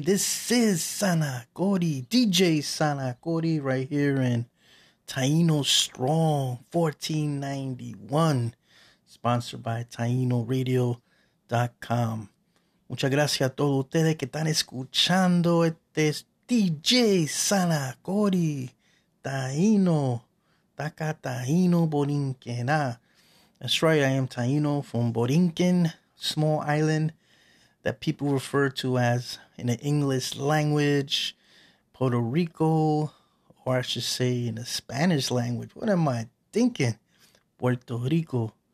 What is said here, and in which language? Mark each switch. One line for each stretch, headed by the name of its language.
English: This is Sana Cody, DJ Sana Cody, right here in Taino Strong 1491, sponsored by TainoRadio.com.
Spanish: Muchas gracias a todos ustedes que están escuchando este DJ Sana Cody, Taino, Taka Taino Borinquena.
English: That's right, I am Taino from Borinquen, small island that people refer to as, in the English language, Puerto Rico, or I should say in the Spanish language. What am I thinking? Puerto Rico.